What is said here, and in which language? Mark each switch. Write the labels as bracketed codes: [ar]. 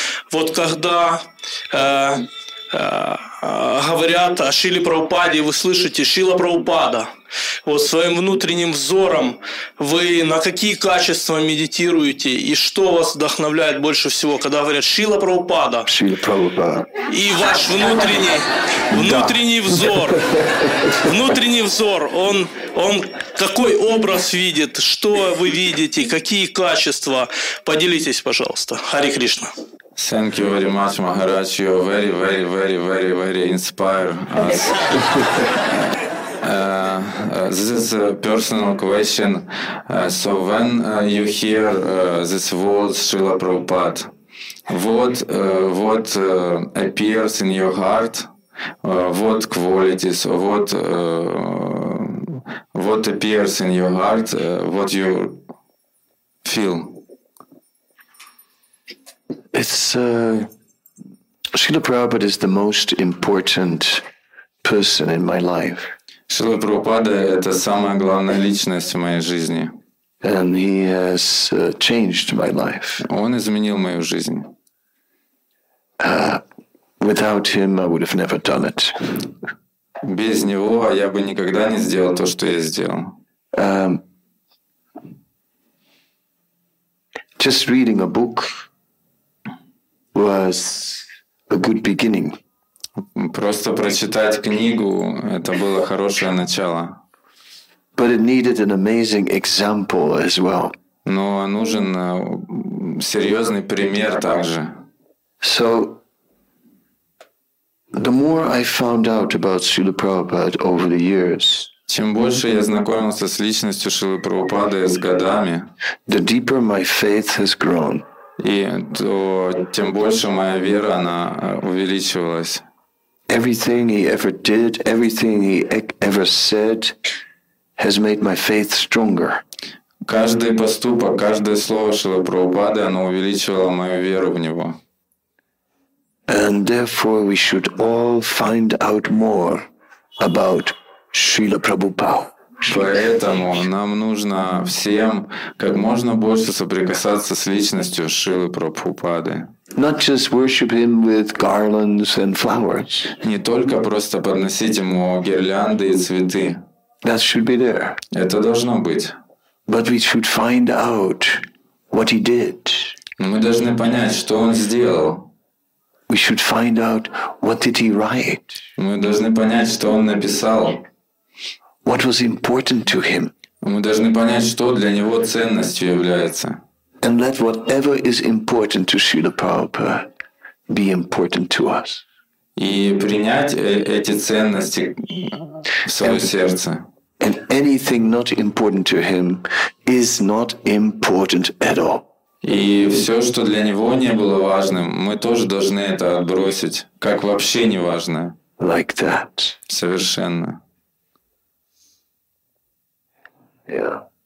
[ru] Вот когда говорят о Шиле Прабхупаде, вы слышите Шила Прабхупада, вот своим внутренним взором вы на какие качества медитируете и что вас вдохновляет больше всего, когда говорят Шила Прабхупада? Шила Прабхупада. И ваш внутренний взор, внутренний взор, он какой образ видит, что вы видите, какие качества, поделитесь, пожалуйста. Харе Кришна. [en] Thank you very much, Maharaj. You are very, very, very, very, very inspire us. This is a personal question. So when you hear this word, Srila Prabhupada, what appears in your heart? What qualities? What appears in your heart? What you feel? It's Srila Prabhupada is the most important person in my life. [ru] Srila Prabhupada это самая главная личность в моей жизни. [en] And he has changed my life. [ru] Он изменил мою жизнь. [en] Without him I would have never done it. [ru] Без него я бы никогда не сделал то, что я сделал. [en] Just reading a book was a good beginning. [ru] Просто прочитать книгу это было хорошее начало. [en] But it needed an amazing example as well. [ru] Но нужен серьезный пример также. [en] So the more I found out about Srila Prabhupada over the years, [ru] чем больше я знакомился с личностью Шрилы Прабхупады с годами, [en] the deeper my faith has grown. [ru] И то, тем больше моя вера она увеличивалась. [en] Everything he ever did, everything he ever said has made my faith stronger. [ru] Каждый поступок, каждое слово Шрилы Прабхупады, оно увеличивало мою веру в него. [en] And therefore we should all find out more about Srila Prabhupada. [ru] Поэтому нам нужно всем как можно больше соприкасаться с личностью Шрилы Прабхупады. [en] Not just worship him with garlands and flowers. [ru] Не только просто подносить ему гирлянды и цветы. [en] That should be there. [ru] Это должно быть. [en] But we should find out what he did. [ru] Мы должны понять, что он сделал. [en] We should find out what did he write. [ru] Мы должны понять, что он написал. [en] What was important to him? [ru] Мы должны понять, что для него ценностью является. [en] And let whatever is important to Srila Prabhupada be important to us. [ru] И принять эти ценности в свое сердце. [en] And anything not important to him is not important at all. [ru] И все, что для него не было важным, мы тоже должны это отбросить, как вообще не важное. [en] Like that. [ru] Совершенно. [en] Yeah.